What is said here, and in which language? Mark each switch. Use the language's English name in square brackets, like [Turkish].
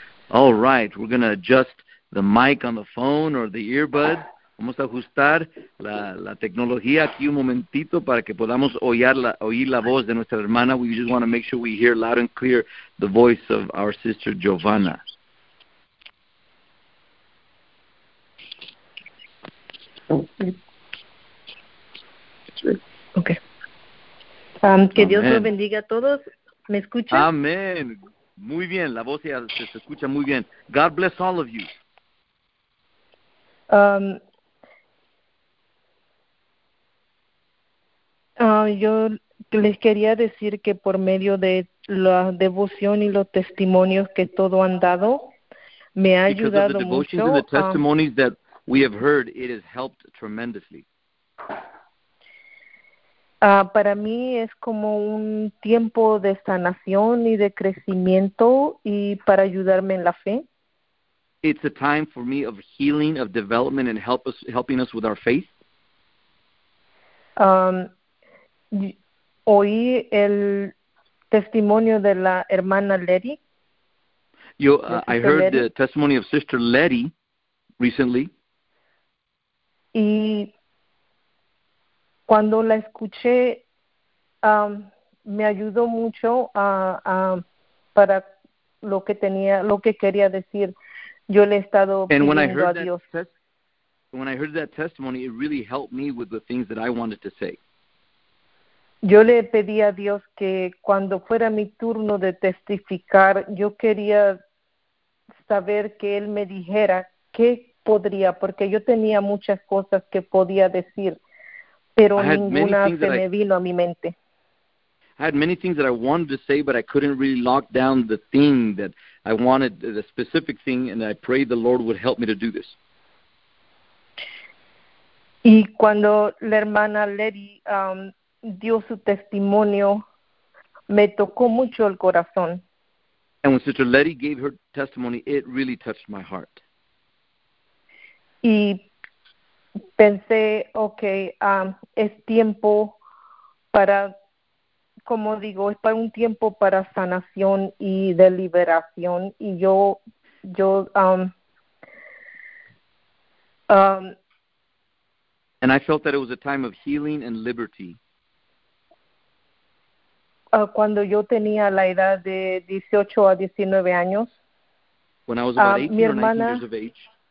[English] All right, we're going to adjust the mic on the phone or the earbud. [Spanish] Vamos a ajustar la tecnología aquí un momentito para que podamos oír la voz de nuestra hermana. [English] We just want to make sure we hear loud and clear the voice of our sister Giovanna. [Spanish] Okay. Que Amén. Dios los bendiga a todos. ¿Me escuchan? Amén. Muy bien, la voz ya se escucha muy bien. [English] God bless all of you. [Spanish] Yo les quería decir que por medio de la devoción y los testimonios que todo han dado, me ha ayudado mucho. [English] We have heard it has helped tremendously. [Spanish] Para mí es como un tiempo de sanación y de crecimiento y para ayudarme en la fe. [English] It's a time for me of healing, of development, and helping us with our faith. [Spanish] Oí el testimonio de la hermana Letty. [English] I heard Letty. The testimony of Sister Letty recently. [Spanish] Y cuando la escuché, me ayudó mucho para lo que tenía, lo que quería decir. Yo le he estado [English] and [Spanish] pidiendo a Dios. [English] When I heard that testimony, it really helped me with the things that I wanted to say. [Spanish] Yo le pedí a Dios que cuando fuera mi turno de testificar, yo quería saber que Él me dijera qué podría, porque yo tenía muchas cosas que podía decir, pero ninguna se me vino a mi mente. [English] I had many things that I wanted to say, but I couldn't really lock down the thing that I wanted, the specific thing, and I prayed the Lord would help me to do this. [Spanish] Y cuando la hermana Letty dio su testimonio, me tocó mucho el corazón. [English] And when Sister Letty gave her testimony, it really touched my heart. [Spanish] Y pensé, okay, es tiempo para, como digo, es para un tiempo para sanación y de liberación. Y [English] And I felt that it was a time of healing and liberty. [Spanish] Cuando yo tenía la edad de 18 a 19 años, [English] when I was about 18 or 19 years of age,